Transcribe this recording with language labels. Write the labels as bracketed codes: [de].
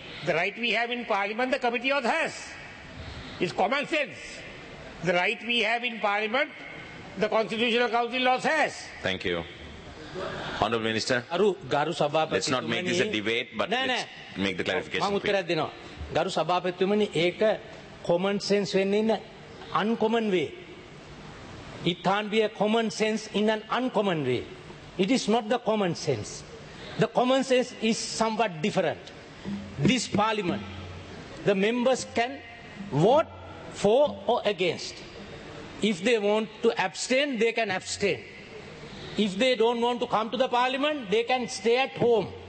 [en] The right we have in parliament the committee of has. It's common sense. The right we have in parliament the constitutional council also has. Thank you. Honorable Minister, [si] garu sabhapati [en] let's not make this a debate but let's make the clarification. [si] මම උත්තරයක් දෙනවා. ගරු සභාපතිතුමනි ඒක common sense වෙන්නේ නැ [en] uncommon way. It can't be a common sense in an uncommon way. It is not the common sense. The common sense is somewhat different. This parliament, the members can vote for or against. If they want to abstain, they can abstain. If they don't want to come to the parliament, they can stay at home.